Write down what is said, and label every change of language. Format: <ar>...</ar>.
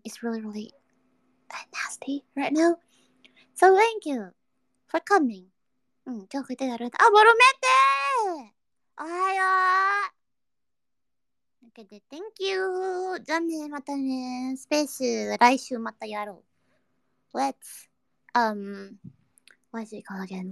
<en>It's really really nasty right now, so thank you for coming.</en> <ja>うん、今日来てやる。あ、ボロメテ、おはよう。</ja> <en>けで Thank you!</en> <ja>じゃあね、またね。スペース、来週またやろう。</ja> <en>Let's, what's it called again?</en>